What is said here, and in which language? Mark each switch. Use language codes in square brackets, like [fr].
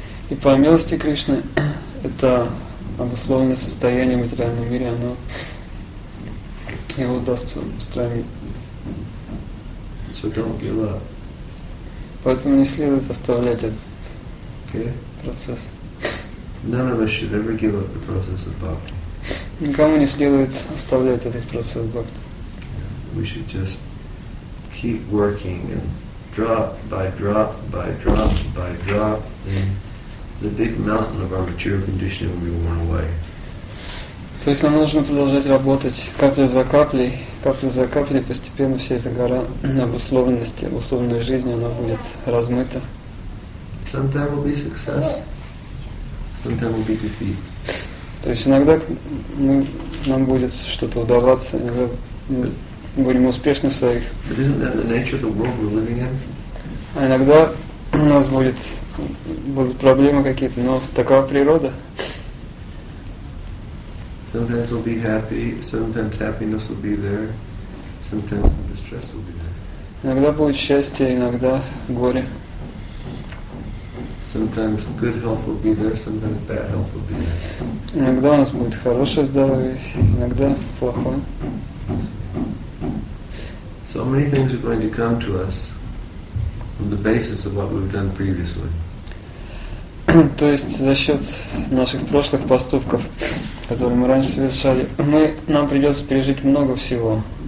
[ru] И по милости Кришны, это обусловленное состояние в материальном мире, оно его удастся устранить. [en] So don't give up. [ru] Поэтому не следует оставлять этот процесс. [en] None of us should ever give up the process of bhakti. [ru] Никому не следует оставлять этот процесс бхакти. [en] We should just keep working and drop by drop by drop by drop, and the big mountain of our material conditioning will be worn away. [ru] То есть нам нужно продолжать работать капля за каплей, постепенно вся эта гора обусловленности, обусловленной жизни, она будет размыта. [en] Sometime will be success. Sometime will be defeat. [ru] То есть иногда нам будет что-то удаваться, иногда мы будем успешны в своих. [en] But isn't that the nature of the world we're living in? [ru] А иногда у нас будет, будут проблемы какие-то, но такова природа. [en] Sometimes we'll be happy, sometimes happiness will be there, sometimes the distress will be there. [ru] Иногда будет счастье, иногда горе. [en] Sometimes good health will be there, sometimes bad health will be there. [ru] Иногда у нас будет хорошее здоровье, иногда плохое. [en] So many things are going to come to us on the basis of what we've done previously. [ru] То есть за счет наших прошлых поступков, которые мы раньше совершали, мы, нам придется пережить много всего.